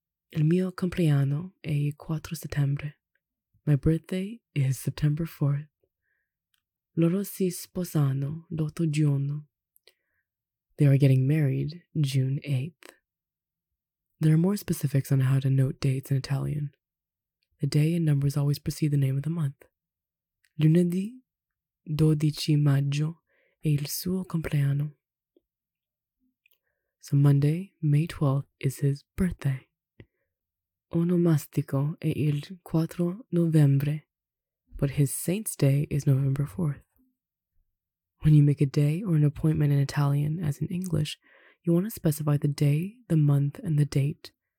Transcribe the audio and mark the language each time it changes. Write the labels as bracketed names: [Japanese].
[Italian] Il mio compleanno è il 4 settembre. [English] My birthday is September 4th. [Italian] Loro si sposano l'8 giugno. [English] They are getting married June 8th. There are more specifics on how to note dates in Italian. The day and numbers always precede the name of the month. [Italian] Lunedì 12 maggio è il suo compleanno. [English] So Monday, May 12th, is his birthday. [Italian] Onomastico è il 4 novembre, [English] but his saint's day is November 4th. When you make a day or an appointment in Italian, as in English, you want to specify the day, the month, and the date.